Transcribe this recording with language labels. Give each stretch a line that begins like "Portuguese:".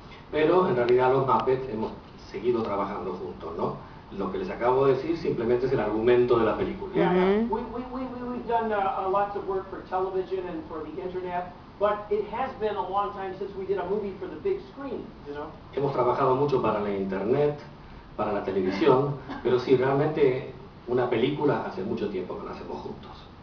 Spanish: Pero en realidad los Muppets hemos seguido trabajando juntos, ¿no? Lo que les acabo de decir simplemente es el argumento de la película.
English: We've done lots of work for television and for the internet. But it has been a long time since we did a movie for the big screen, you know?
Spanish: Hemos trabajado mucho para la internet, para la televisión, pero sí, realmente una película hace mucho tiempo que la hacemos juntos.